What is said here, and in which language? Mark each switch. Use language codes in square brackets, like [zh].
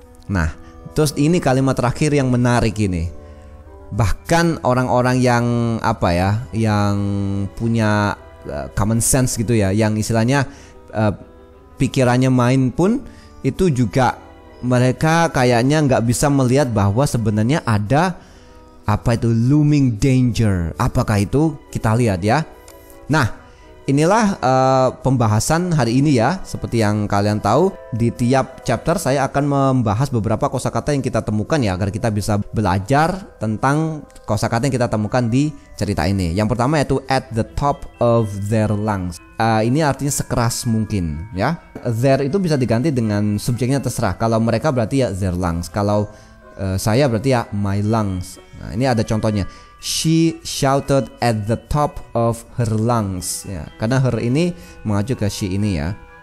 [id] Nah, terus ini kalimat terakhir yang menarik ini. Bahkan orang-orang yang yang punya common sense gitu ya, yang istilahnya pikirannya main pun, itu juga mereka kayaknya nggak bisa melihat bahwa sebenarnya ada [en] looming danger. [id] Apakah itu? Kita lihat ya. Nah, inilah pembahasan hari ini ya. Seperti yang kalian tahu, di tiap chapter saya akan membahas beberapa kosakata yang kita temukan ya, agar kita bisa belajar tentang kosakata yang kita temukan di cerita ini. [en] Yang pertama yaitu at the top of their lungs. [id] Ini artinya sekeras mungkin ya. Their itu bisa diganti dengan subjeknya, terserah. Kalau mereka berarti ya their lungs. Kalau saya berarti ya my lungs. Nah, ini ada contohnya. [en] She shouted at the top of her lungs [id] ya, karena her ini mengacu ke she ini ya.